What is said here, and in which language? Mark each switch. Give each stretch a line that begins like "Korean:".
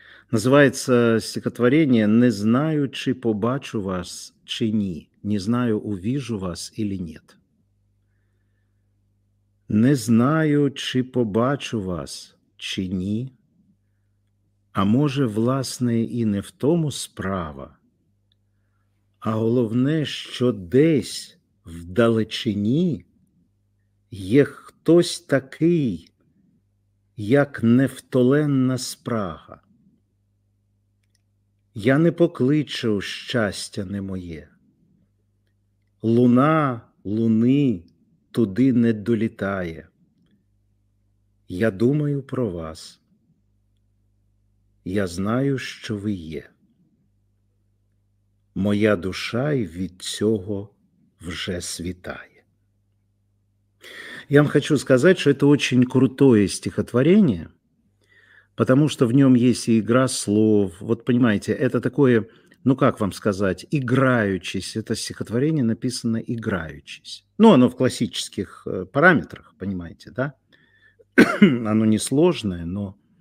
Russian: Называется стихотворение
Ukrainian: «Не знаю, чи побачу вас, чи ні.
Russian: Не знаю, увижу вас или нет».
Ukrainian: Не знаю, чи побачу вас, чи ні. А може, власне, і не в тому справа. А головне, що десь вдалечині є хтось такий, як невтоленна спрага. Я не покличу, щастя не моє. Луна луни туди не долітає. Я думаю про вас. Я знаю, що ви є. Моя душа й від цього вже світає. Я вам хочу сказати, що це дуже крутое стихотворення.
Russian: Потому что в нем есть и игра слов. Вот понимаете, это такое, ну как вам сказать, играючись. Это стихотворение написано играючись. Ну, оно в классических параметрах, понимаете, да? Оно не сложное, но...